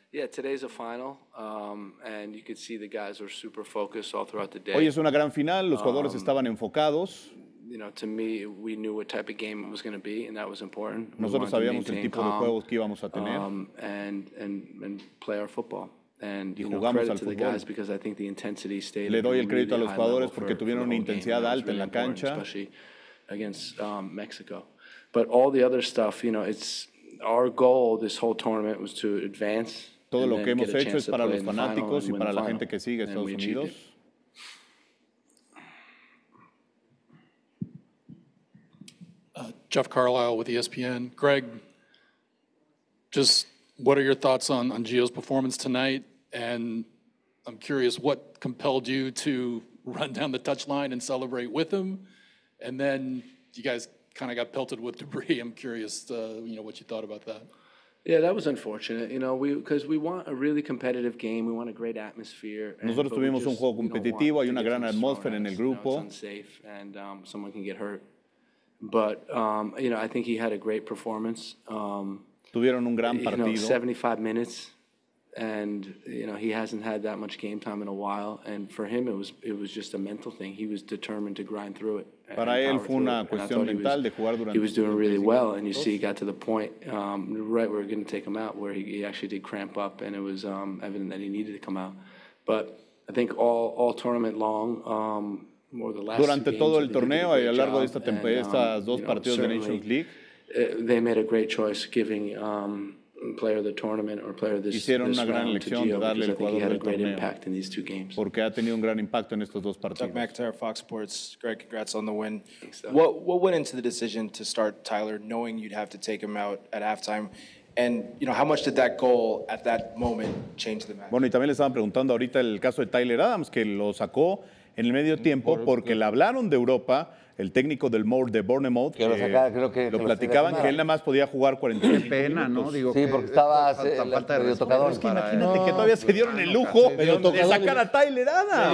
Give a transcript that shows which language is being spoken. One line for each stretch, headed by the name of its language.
English: Yeah, today's a final and you could see the guys were super focused all throughout the day.
Spanish: Hoy es una gran final, los jugadores estaban enfocados.
English: You know, to me, we knew what type of game it was going to be, and that was important.
Spanish: Nosotros sabíamos el tipo de juegos que íbamos a tener.
English: And play our football. And you know, credit to the guys because I think the intensity stayed.
Spanish: Le doy el crédito a los jugadores porque tuvieron una intensidad alta en la cancha.
English: Against Mexico, but all the other stuff, you know, it's our goal. This whole tournament was to advance.
Spanish: Todo lo que hemos hecho es para los fanáticos y para la gente que sigue Estados Unidos.
English: Jeff Carlisle with ESPN. Greg, just what are your thoughts on Gio's performance tonight? And I'm curious, what compelled you to run down the touchline and celebrate with him? And then you guys kind of got pelted with debris. I'm curious, you know, what you thought about that. Yeah, that was unfortunate. You know, because we want a really competitive game. We want a great atmosphere.
Spanish: Nosotros tuvimos un juego competitivo y una gran atmósfera en el grupo.
English: It's unsafe and someone can get hurt. But you know, I think he had a great performance.
Spanish: Tuvieron un gran partido.
English: You know, 75 minutes, and you know he hasn't had that much game time in a while. And for him, it was just a mental thing. He was determined to grind through it.
Spanish: Para él fue una cuestión mental de jugar durante.
English: He was doing really well, and you see, he got to the point right where we're going to take him out, where he actually did cramp up, and it was evident that he needed to come out. But I think all tournament long.
Spanish: Durante todo el torneo y a lo largo de esta temporada, estos dos partidos de Nations League,
English: they made a great choice giving player of the tournament or player of this.
Spanish: Hicieron una gran elección de darle el jugador del torneo.
English: Impact in these two games.
Spanish: Porque ha tenido un gran impacto en estos dos partidos.
English: Chuck McIntyre, Fox Sports. Greg, congrats on the win. What went into the decision to start Tyler, knowing you'd have to take him out at halftime? And you know, how much did that goal at that moment change the match?
Spanish: Bueno, y también le estaban preguntando ahorita el caso de Tyler Adams, que lo sacó. En el medio tiempo, porque le hablaron de Europa, el técnico del Molde Bournemouth. Que lo sacaba, creo que. Lo platicaban que él nada más podía jugar 40 minutos. Qué pena, ¿no? Digo, sí, porque estaba falta de tocador. Es que imagínate que todavía se dieron el lujo de sacar a Tyler Adams.